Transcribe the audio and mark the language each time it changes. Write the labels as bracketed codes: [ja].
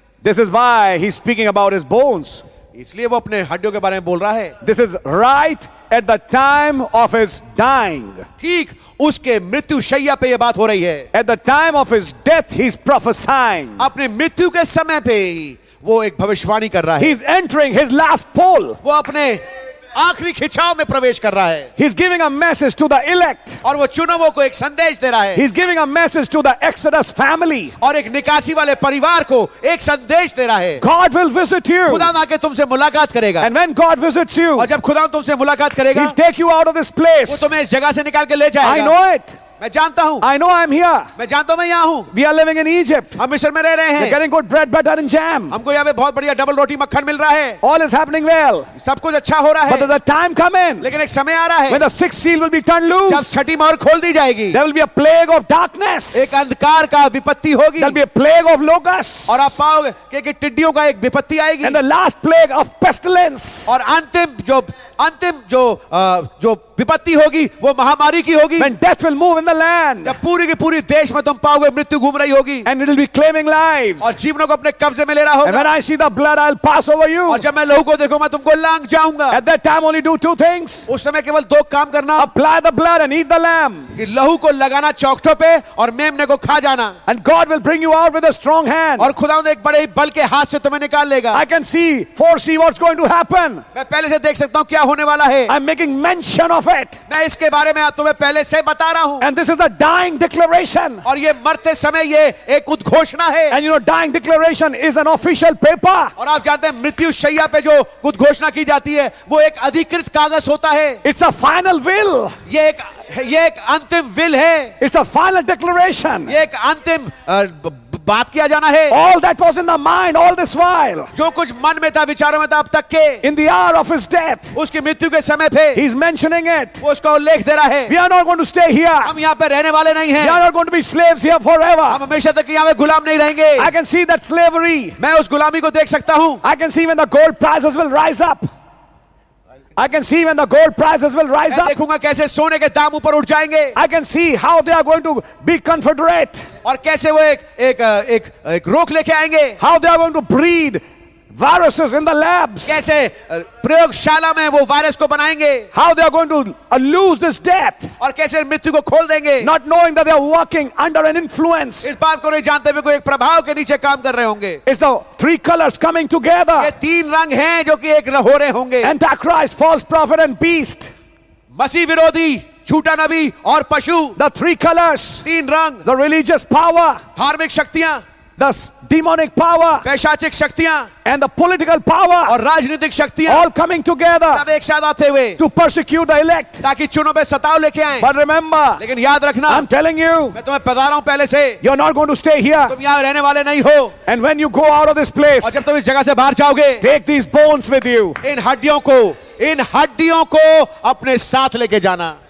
[en] this is why he's speaking about his bones, [hi] इसलिए वो अपने हड्डियों के बारे में बोल रहा है, [en] this is right at the time of his dying, [hi] ठीक उसके मृत्यु शैया पे ये बात हो रही है. [en] At the time of his death, he's prophesying. [hi] अपने मृत्यु के समय पे ही वो एक भविष्यवाणी कर रहा है. [en] He's entering his last poll. [hi] वो अपने आखिरी खिंचाव में प्रवेश कर रहा है. [en] He's giving a message to the elect. [hi] और वो चुनावों को एक संदेश दे रहा है. [en] He's giving a message to the Exodus family. [hi] और एक निकासी वाले परिवार को एक संदेश दे रहा है. [en] God will visit you. [hi] खुदा आके तुमसे मुलाकात करेगा. [en] And when God visits you, [hi] और जब खुदा तुमसे मुलाकात करेगा, [en] He'll take you out of this place. [hi] वो तुम्हें इस जगह से निकाल के ले जाएगा. [en] I know it. [hi] मैं जानता हूँ. [en] I know I'm here. [hi] मैं जानता हूँ मैं यहाँ हूँ. [en] We are living in Egypt. [hi] हम मिस्र में रह रहे हैं. [en] We're getting good bread, butter and jam. [hi] हमको यहाँ पे बहुत बढ़िया डबल रोटी मक्खन मिल रहा है. [en] All is happening well. [hi] सब कुछ अच्छा हो रहा है. [en] But there's a time coming. [hi] लेकिन एक समय आ रहा है. [en] When the sixth seal will be turned loose. [hi] जब छठी मोहर खोल दी जाएगी. [en] There will be a plague of darkness. [hi] एक अंधकार का विपत्ति होगी. [en] There'll be a plague of locusts. [hi] और आप पाओगे कि टिड्डियों का एक विपत्ति आएगी. [en] And the last plague of pestilence. [hi] और अंतिम जो विपत्ति होगी वो महामारी की होगी. [en] When death will move in the land. [hi] जब पूरी की पूरी देश में तुम पाओगे मृत्यु घूम रही होगी. [en] And it'll be claiming lives. [hi] और जीवनों को अपने कब्जे में ले रहा होगा. [en] And when I see the blood, I'll pass over you. [hi] और जब मैं लहू को देखूं मैं तुमको लांग जाऊंगा. [en] At that time only do two things. [hi] उस समय केवल दो काम करना. [en] Apply the blood and eat the lamb. [hi] कि लहू को लगाना चौखटों पे और मेमने को खा जाना. [en] And God will bring you out with a strong hand. [hi] और खुदा एक बड़े बल के हाथ से तुम्हें निकाल लेगा. [en] I can see, foresee what's going to happen. [hi] मैं पहले से देख सकता हूँ क्या होने वाला है. [en] I'm making mention of it. [hi] मैं इसके बारे में तुम्हें पहले से बता रहा हूँ. [en] And this is a dying declaration. [hi] और ये मरते समय ये एक उद्घोषणा है. [en] And you know, dying declaration is an official paper. [hi] और आप जानते हैं मृत्यु शैया पे जो उद्घोषणा की जाती है वो एक अधिकृत कागज होता है. [en] It's a final will. [hi] ये एक अंतिम विल है. [en] It's a final declaration. [hi] ये एक अंतिम बात किया जाना है. [en] All that was in the mind all this while. [hi] जो कुछ मन में था विचारों में था अब तक के. [en] In the hour of his death. [hi] उसकी मृत्यु के समय थे. [en] He's mentioning it. [hi] वो उसका उल्लेख दे रहा है. [en] We are not going to stay here. [hi] हम यहाँ पे रहने वाले नहीं हैं. [en] We are not going to be slaves here forever. [hi] हम हमेशा तक यहाँ पे गुलाम नहीं रहेंगे. [en] I can see that slavery. [hi] मैं उस गुलामी को देख सकता हूँ. [en] I can see when the gold prices will rise up. I can see when the gold prices will rise up. [hi] देखूंगा कैसे सोने के दाम ऊपर उठ जाएंगे. [en] I can see how they are going to be confederate. [hi] और कैसे वो एक एक एक, एक रोक लेके आएंगे. [en] How they are going to breed viruses in the labs. [hi] कैसे प्रयोगशाला में वो वायरस को बनाएंगे. [en] How they are going to lose this death. [hi] और कैसे मृत्यु को खोल देंगे. [en] Not knowing that they are working under an influence. [hi] इस बात को नहीं जानते कोई एक प्रभाव के नीचे काम कर रहे होंगे. [en] It's the three colors coming together. [hi] ये तीन रंग हैं जो कि एक हो रहे होंगे. [en] Antichrist, false prophet and beast. [hi] मसीह विरोधी छूटा नबी और पशु. [en] The three colors. [hi] तीन रंग. [en] The religious power. [hi] धार्मिक शक्तियां. [en] The demonic power. [hi] पैशाचिक शक्तियां. [en] And the political power. [hi] और राजनीतिक शक्तियां. [en] All coming together. [hi] सब एक साथ आते हुए. [en] To persecute the elect. [hi] ताकि चुनों पे सताव लेके आएं. [en] But remember. [hi] लेकिन याद रखना. [en] I'm telling you. [hi] मैं तुम्हें बता रहा हूँ पहले से. [en] You're not going to stay here. [hi] तुम यहाँ रहने वाले नहीं हो. [en] And when you go out of this place. [hi] और जब तुम इस जगह से बाहर जाओगे. [en] Take these bones with you. [hi] इन हड्डियों को अपने साथ लेके जाना.